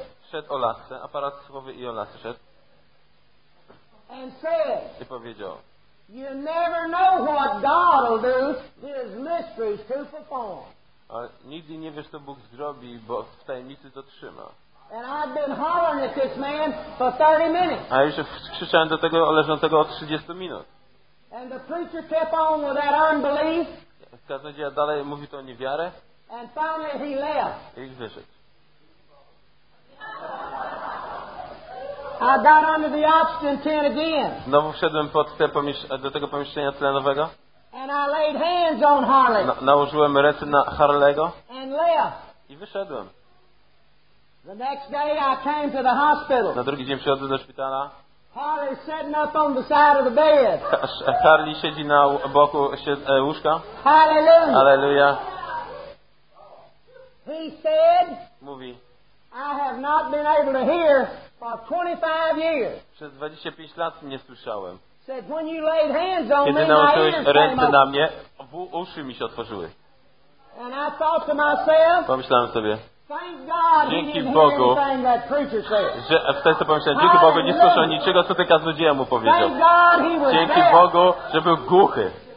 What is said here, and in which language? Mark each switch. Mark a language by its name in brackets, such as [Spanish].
[Polish] Szedł o lasce, aparat słuchowy i o lasce szedł. [English] And said, [Polish] i powiedział, [English] you never know what God will do his mysteries to perform. [Polish] A nigdy nie wiesz, co Bóg zrobi, bo w tajemnicy to trzyma. [English] And I've been hollering at this man for 30 minutes. [Polish] A już krzyczałem do tego leżącego od 30 minut. [English] And the preacher kept on with that unbelief. [Polish] Kaznodzieja dalej mówi to o niewiarę. [English] And finally he left. [Polish] I wyszedł. [English] I got under the oxygen tent again. [Polish] Znowu wszedłem pod te do tego pomieszczenia tlenowego. [English] And I laid hands on Harley. [Polish] Nałożyłem ręce na Harley'ego. [English] And left. [Polish] I wyszedłem. [English] The next day I came to the hospital. [Polish] Na drugi dzień przychodzę do szpitala. [English] Harley sitting up on the side of the bed. [Polish] Harley siedzi na boku łóżka. [English] Hallelujah. [Polish] Hallelujah. [English] He said, [Polish] mówi, [English] I have not been able to hear for 25 years. [Polish] Przez 25 lat nie słyszałem. [English] Said, when you laid hands on [Polish] kiedy [English] me, [Polish] nałożyłeś [English] my ears [Polish] ręce na mnie, uszy mi się otworzyły. [English] And I thought to myself, [Polish] pomyślałem sobie, [English] thank God he didn't hear anything that preacher said. [Polish] Dzięki Bogu, nie słyszał niczego, co ten kaznodzieja mu powiedział. Dzięki Bogu, że był głuchy.